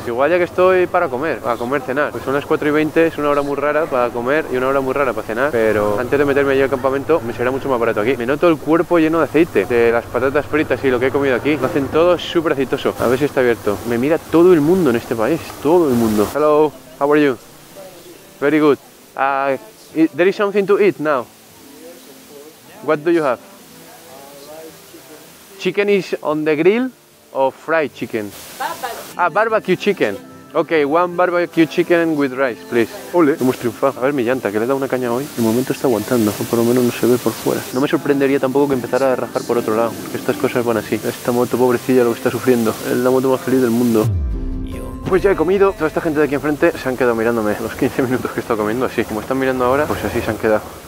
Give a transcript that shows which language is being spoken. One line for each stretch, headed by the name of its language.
Spanish: Igual ya que estoy para comer, a comer, cenar. Pues son las 4 y 20, es una hora muy rara para comer y una hora muy rara para cenar. Pero antes de meterme allí al campamento, me será mucho más barato aquí. Me noto el cuerpo lleno de aceite, de las patatas fritas y lo que he comido aquí. Lo hacen todo súper aceitoso. A ver si está abierto. Me mira todo el mundo en este país, todo el mundo.
English: Hello, how are you? Very good. There is something to eat now. What do you have? Chicken is on the grill or fried chicken? Barbecue chicken. Okay, one barbecue chicken with rice, please.
Spanish: Ole. Hemos triunfado. A ver mi llanta, que le da una caña hoy. De momento está aguantando, o por lo menos no se ve por fuera. No me sorprendería tampoco que empezara a rajar por otro lado. Estas cosas van así. Esta moto pobrecilla lo que está sufriendo. Es la moto más feliz del mundo. Pues ya he comido, toda esta gente de aquí enfrente se han quedado mirándome los 15 minutos que he estado comiendo, así como están mirando ahora, pues así se han quedado.